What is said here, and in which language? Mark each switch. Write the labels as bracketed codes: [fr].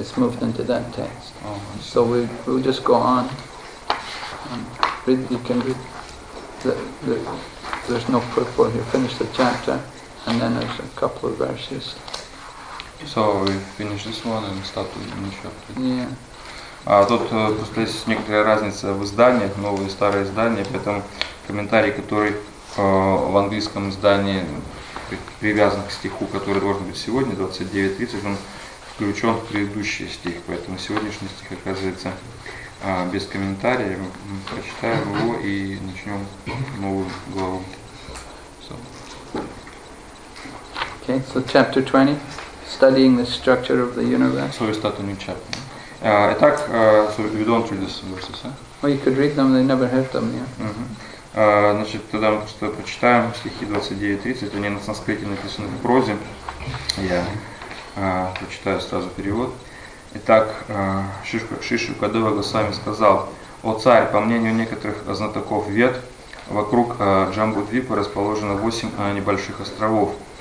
[en] It's moved into that text. Oh, so we'll just go on. You can read. There's no purport here. Finish the chapter. And then there's a couple of verses. So we finish this one and start with the new chapter. Yeah. [ru] Тут просто есть некоторая разница в изданиях, новое и старое издание, поэтому комментарий, который в английском издании привязан к стиху, который должен быть сегодня, 29.30, он включен в предыдущий стих, поэтому сегодняшний стих оказывается без комментария. Мы прочитаем его и начнем новую главу. [en] So chapter 20, studying the structure of the universe. So we start a new chapter. Итак, so we don't read these verses, huh? Well, you could read them, they never heard them, yeah. [ru] Значит, тогда мы просто прочитаем стихи 29-30, они на санскрите написаны в прозе. Я прочитаю сразу перевод. Итак, Шишу Кадева Госвами сказал: «О царь, по мнению некоторых знатоков Вед, вокруг Джамбудвипы расположено 8 небольших островов.